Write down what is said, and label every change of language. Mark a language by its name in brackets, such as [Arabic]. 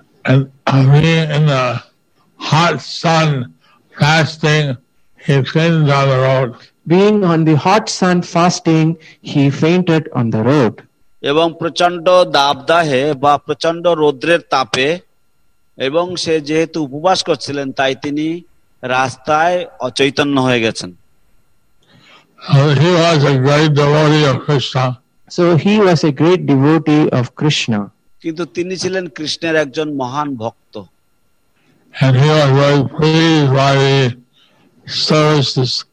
[English] And being in the hot sun fasting, he fainted on the road. Being on the hot sun fasting, he fainted on the road. [Bangla] এবং প্রচন্ড দাবদাহে বা প্রচন্ড রৌদ্রের তাপে এবং সে যেহেতু উপবাস করছিলেন, তাই তিনি রাস্তায় অচৈতন্য হয়ে গেছেন। [English] He was a great devotee of Krishna. So he was a great devotee of Krishna. [Bangla] কিন্তু তিনি ছিলেন কৃষ্ণের একজন মহান ভক্ত। [English] And he was very pleased by the services